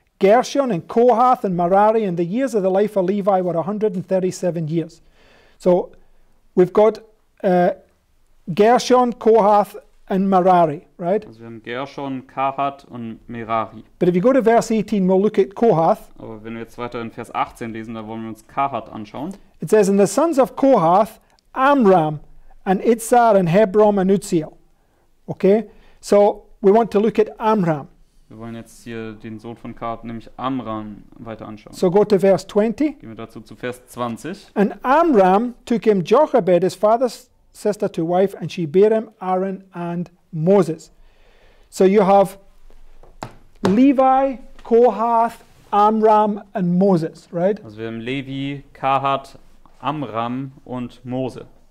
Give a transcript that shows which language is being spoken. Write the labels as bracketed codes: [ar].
[en] Gershon and Kohath and Merari, and the years of the life of Levi were 137 years. So we've got Gershon, Kohath and Merari, right? [de] Also wir haben Gershon, Kohath und Merari. [en] But if you go to verse 18, we'll look at Kohath. [de] Aber wenn wir jetzt weiter in Vers 18 lesen, da wollen wir uns Kohath anschauen. [en] It says, and the sons of Kohath, Amram and Itzar and Hebron and Uzziel. Okay, so we want to look at Amram. [de] Wir wollen jetzt hier den Sohn von Kohath, nämlich Amram, weiter anschauen. [en] So go to verse 20. [de] Gehen wir dazu zu Vers 20. [en] And Amram took him Jochebed, his father's sister, to wife, and she bare him Aaron and Moses. So you have Levi, Kohath, Amram and Moses, right? [de] Also wir haben Levi, Kohath, Amram und Mose.